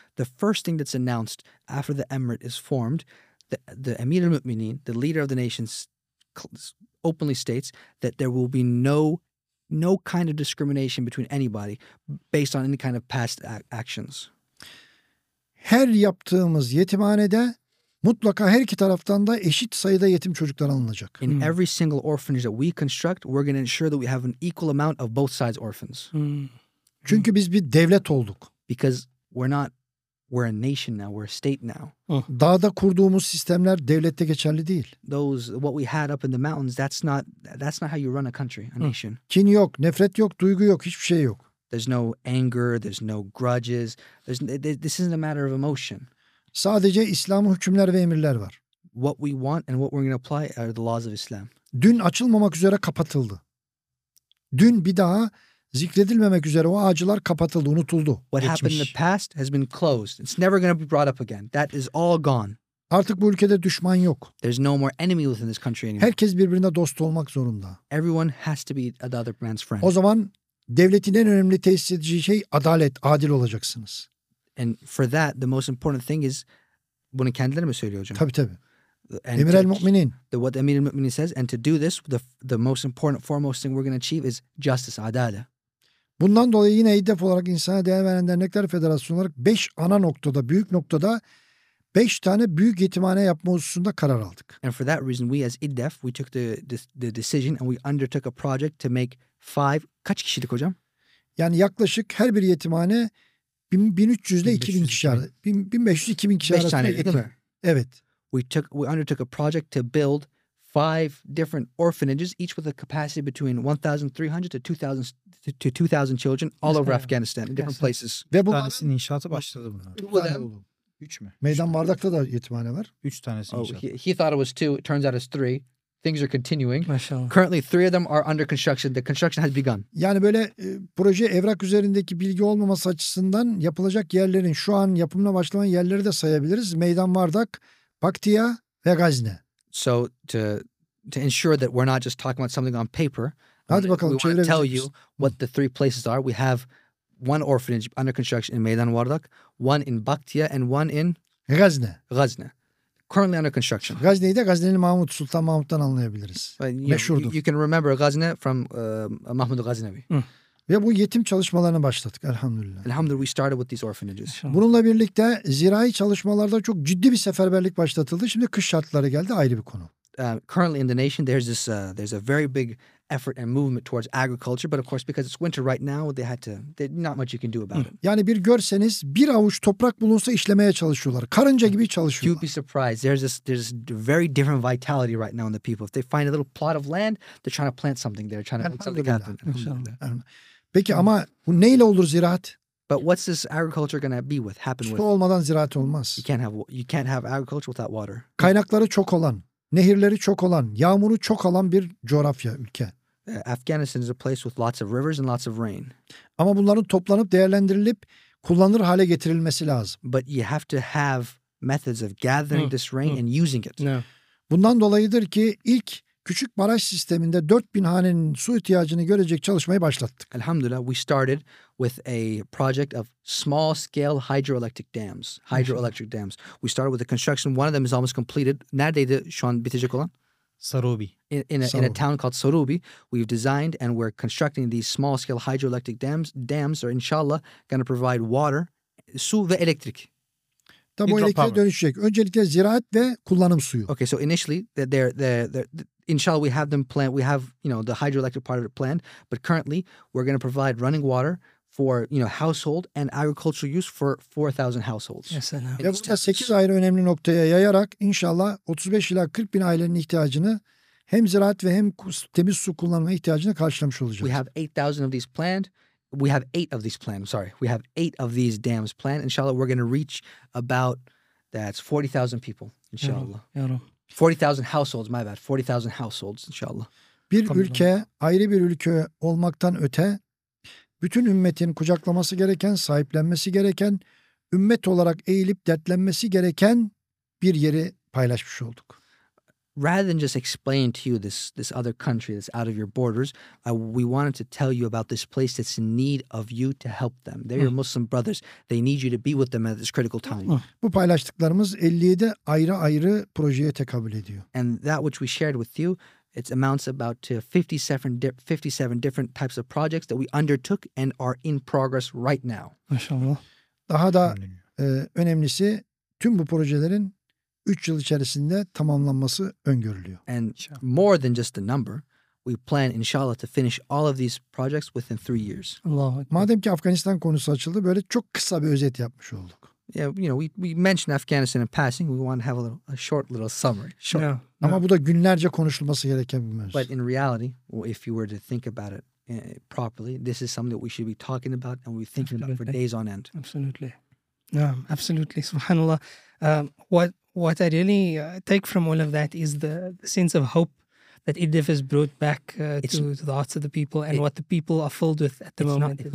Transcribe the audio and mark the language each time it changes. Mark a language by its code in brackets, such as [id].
[en] The first thing that's announced after the emirate is formed, the Emir el-Mü'minin, the leader of the nation, openly states that there will be no kind of discrimination between anybody based on any kind of past actions. [tr] Her yaptığımız yetimhanede mutlaka her iki taraftan da eşit sayıda yetim çocuklar alınacak. [en] In every single orphanage that we construct, we're going to ensure that we have an equal amount of both sides orphans. [tr] Çünkü biz bir devlet olduk. [en] Because we're a nation now, we're a state now. [tr] Dağda kurduğumuz sistemler devlette geçerli değil. [en] Those what we had up in the mountains, that's not how you run a country, a nation. [tr] Kin yok, nefret yok, duygu yok, hiçbir şey yok. [en] There's no anger, there's no grudges. This isn't a matter of emotion. [tr] Sadece İslam'ın hükümler ve emirler var. [en] What we want and what we're going to apply are the laws of Islam. [tr] Dün açılmamak üzere kapatıldı. Dün bir daha zikredilmemek üzere o ağacılar kapatıldı, unutuldu. [en] What [tr] geçmiş. [en] Happened in the past has been closed. It's never going to be brought up again. That is all gone. [tr] Artık bu ülkede düşman yok. [en] There's no more enemy within this country anymore. [tr] Herkes birbirine dost olmak zorunda. [en] Everyone has to be another man's friend. [tr] O zaman devletin en önemli tesis edici şey adalet, adil olacaksınız. [en] And for that, the most important thing is, [tr] bunu kendileri mi söylüyor hocam? Tabii tabii. Emir el-Mü'minin. [en] What Emir el-Mü'minin says, and to do this, the most important, foremost thing we're going to achieve is justice, adalet. [tr] Bundan dolayı yine hedef olarak insana değer veren dernekler federasyonu olarak 5 ana noktada, büyük noktada 5 tane büyük yetimhane yapma hususunda karar aldık. [en] And for that reason, we as İDDEF, we took the decision and we undertook a project to make 5, [tr] kaç kişilik hocam? Yani yaklaşık her bir yetimhane 1300 ile 2000 kişi arası. 1500-2000 kişi arası. 5 tane değil mi? Evet. [en] We undertook a project to build 5 different orphanages, each with a capacity between 1,300 to 2,000 children all over Afghanistan in different places. [tr] Ve bu tanesinin inşaatı başladı bunlar. 3 tane oldu. 3 mü? Meydan Bardak'ta da yetimhane var. 3 tanesi inşaatı. [en] He thought it was 2. It turns out it's 3. Things are continuing. [tr] Maşallah. [en] Currently 3 of them are under construction. The construction has begun. [tr] Yani böyle proje evrak üzerindeki bilgi olmaması açısından yapılacak yerlerin şu an yapımına başlayan yerleri de sayabiliriz. Meydan Bardak, Paktia ve Gazne. [en] So to ensure that we're not just talking about something on paper. [tr] Hadi bakalım, [en] we want to tell you what the 3 places are. We have 1 orphanage under construction in Meydan Bardak, 1 in Paktia and 1 in Gazne. Currently under construction. [tr] Gazne'yi de Gazneli Mahmut, Sultan Mahmut'tan anlayabiliriz. Meşhurdur. [en] You can remember Gazne from Mahmud Gaznevi. [tr] Ve bu yetim çalışmalarına başladık elhamdülillah. [en] Elhamdülillah, we started with these orphanages. [tr] Bununla birlikte zirai çalışmalarda çok ciddi bir seferberlik başlatıldı. Şimdi kış şartları geldi, ayrı bir konu. [en] Currently in the nation there's a very big effort and movement towards agriculture, but of course because it's winter right now there's not much you can do about it. [tr] Yani bir görseniz bir avuç toprak bulunsa işlemeye çalışıyorlar. Karınca gibi çalışıyorlar. [en] You'd be surprised. There's this very different vitality right now in the people. If they find a little plot of land, they're trying to plant something there, trying to make something happen. [tr] Peki ama bu neyle olur ziraat? [en] But what's this agriculture going to be with happen [tr] with? Su olmadan ziraat olmaz. [en] You can't have agriculture without water. [tr] Kaynakları çok olan, nehirleri çok olan, yağmuru çok alan bir coğrafya, ülke. [en] Afghanistan is a place with lots of rivers and lots of rain. [tr] Ama bunların toplanıp değerlendirilip kullanılır hale getirilmesi lazım. [en] But you have to have methods of gathering this rain and using it. No. [tr] Bundan dolayıdır ki ilk küçük baraj sisteminde 4000 hanenin su ihtiyacını görecek çalışmayı başlattık. [en] Elhamdülillah, we started with a project of small scale hydroelectric dams. We started with the construction. One of them is almost completed. [tr] Neredeydi şu an bitecek olan? Sarubi. [en] In a town called Sarubi, we've designed and we're constructing these small-scale hydroelectric dams. Dams are, inshallah, going to provide water, [tr] su ve elektrik. Tabii o elektriğe dönüşecek. Öncelikle ziraat ve kullanım suyu. [en] Okay, so initially, inshallah, we have them planned. We have, you know, the hydroelectric part of it planned. But currently, we're going to provide running water for, you know, household and agricultural use for 4,000 households. [tr] Ya burada 8 ayrı önemli noktaya yayarak inşallah 35 ila 40 bin ailenin ihtiyacını hem ziraat ve hem temiz su kullanma ihtiyacını karşılamış olacağız. [en] We have 8,000 of these planned. We have 8 of these planned. Sorry. We have 8 of these dams planned. Inshallah, we're going to reach about, that's 40,000 people. Inshallah. Ya Rabbi. 40,000 households, my bad. 40,000 households, inshallah. [tr] Bir ülke, ayrı bir ülke olmaktan öte, bütün ümmetin kucaklaması gereken, sahiplenmesi gereken, ümmet olarak eğilip dertlenmesi gereken bir yeri paylaşmış olduk. [en] Rather than just explaining to you this other country that's out of your borders, we wanted to tell you about this place that's in need of you to help them. They're your Muslim brothers. They need you to be with them at this critical time. [tr] Bu paylaştıklarımız 57 ayrı ayrı projeye tekabül ediyor. [en] And that which we shared with you, it amounts about to 57 different types of projects that we undertook and are in progress right now. [tr] Maşallah. Daha da önemlisi tüm bu projelerin 3 yıl içerisinde tamamlanması öngörülüyor. [en] And more than just a number, we plan inshallah to finish all of these projects within 3 years. Allah. [tr] Madem ki Afganistan konusu açıldı, böyle çok kısa bir özet yapmış olduk. [en] Yeah, you know, we mentioned Afghanistan in passing. We want to have a short little summary. Short. No. [tr] Ama bu da günlerce konuşulması gereken bir mevzu. [en] But in reality, if you were to think about it properly, this is something that we should be talking about and we're thinking absolutely about for days on end. Absolutely. Yeah, absolutely. Subhanallah. What I really take from all of that is the sense of hope that IDF has brought back to the hearts of the people and what the people are filled with at the moment.